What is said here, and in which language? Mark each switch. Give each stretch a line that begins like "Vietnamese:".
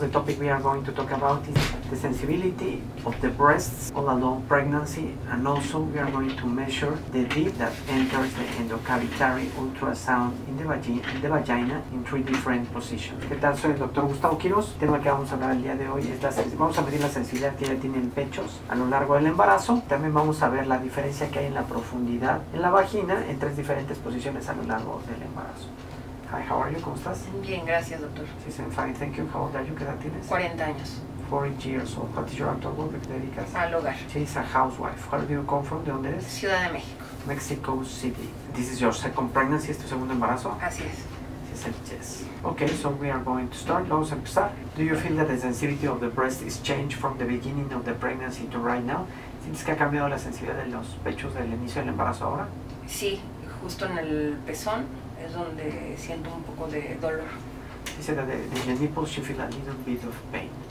English: The topic we are going to talk about is the sensibility of the breasts all along pregnancy, and also we are going to measure the depth that enters the endocavitary ultrasound in the vagina in three different positions.
Spanish: ¿Qué tal? Soy el Dr. Gustavo Quiroz. El tema que vamos a hablar el día de hoy es vamos a medir la sensibilidad que ya tienen pechos a lo largo del embarazo. También vamos a ver la diferencia que hay en la profundidad en la vagina en tres diferentes posiciones a lo largo del embarazo.
English: Hi, how are you?
Spanish: ¿Cómo estás? Bien, gracias, doctor.
English: Yes, I'm fine, thank you. How old are you?
Spanish: ¿Qué edad tienes? 40 años.
English: 40 years old. What is your actual work?
Spanish: ¿A qué te dedicas? Al hogar.
English: She's a housewife. Where do you come from?
Spanish: ¿De dónde eres? Ciudad de México.
English: Mexico City. This is your second pregnancy,
Spanish: ¿es tu segundo embarazo? Así es.
English: She said yes. Okay, so we are going to start.
Spanish: Vamos a empezar.
English: Do you feel that the sensitivity of the breast is changed from the beginning of the pregnancy to right now?
Spanish: ¿Sientes que ha cambiado la sensibilidad de los pechos del inicio del embarazo ahora? Sí, justo en el pezón. Es donde siento un poco de dolor.
English: She said that the nipples, she feels a little bit of pain.